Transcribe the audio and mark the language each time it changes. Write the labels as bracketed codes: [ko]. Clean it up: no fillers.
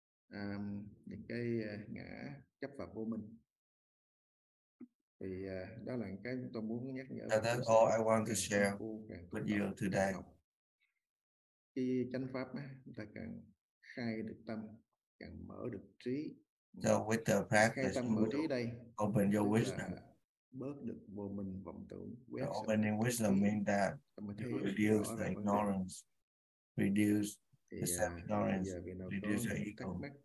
[vi] Những cái ngã chấp vào vô mình. Thì đó là cái tôi muốn nhắc nhở. [en] So that's all I want to share with you today. [vi] Khi chánh pháp á, chúng ta càng khai được tâm, càng mở được trí. [en] So with the practice, [vi] mở trí đây, [en] open your wisdom. [vi] Bớt được vô mình vọng tưởng. [en] The opening wisdom means that you reduce the ignorance, reduce the self-ignorance, reduce the ego.